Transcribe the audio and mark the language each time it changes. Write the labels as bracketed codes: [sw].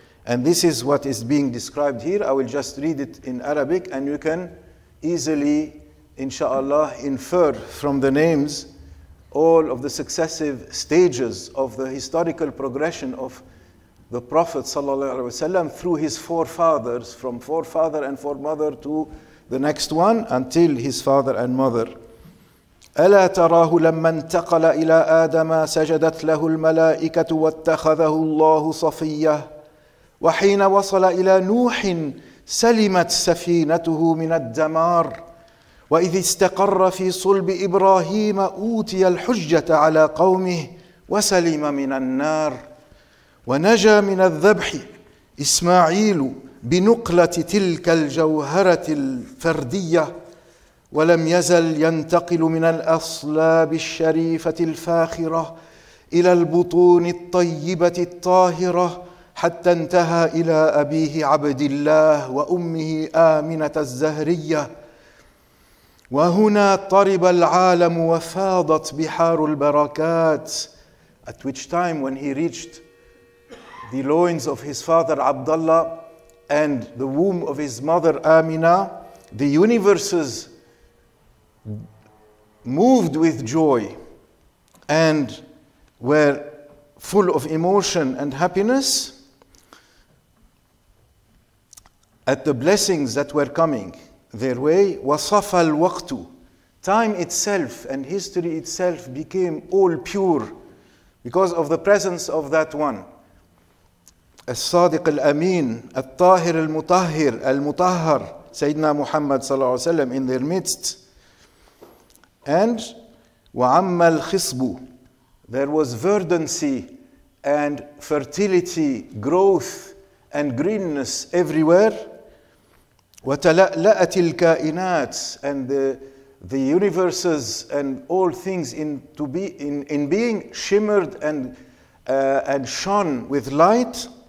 [en] And this is what is being described here. I will just read it in Arabic and you can easily, inshallah, infer from the names all of the successive stages of the historical progression of the Prophet [ar] sallallahu alaihi wasallam [en] through his forefathers, from forefather and foremother to the next one until his father and mother. [ar] ألا تراه لما انتقل إلى آدم سجدت له الملائكة واتخذه الله صفية وحين وصل إلى نوح سلمت سفينته من الدمار وإذ استقر في صلب إبراهيم أوتي الحجة على قومه وسلم من النار ونجا من الذبح إسماعيل بنقلة تلك الجوهرة الفردية ولم يزل ينتقل من الأصلاب الشريفة الفاخرة إلى البطون الطيبة الطاهرة حتى انتهى إلى أبيه عبد الله وأمه آمنة الزهرية وهنا طرب العالم وفاضت بحار البركات. [en] At which time, when he reached the loins of his father Abdullah and the womb of his mother Amina, the universes moved with joy and were full of emotion and happiness at the blessings that were coming their way. [ar] وصفى الوقت, [en] time itself and history itself became all pure because of the presence of that one. [ar] الصادق الأمين الطاهر المطهر المطهر سيدنا محمد صلى الله عليه وسلم [en] in their midst. And [ar] وعم الخصب. [en] There was verdancy and fertility, growth and greenness everywhere. [ar] وتلألأت الكائنات [en] and the universes and all things in being shimmered and shone with light.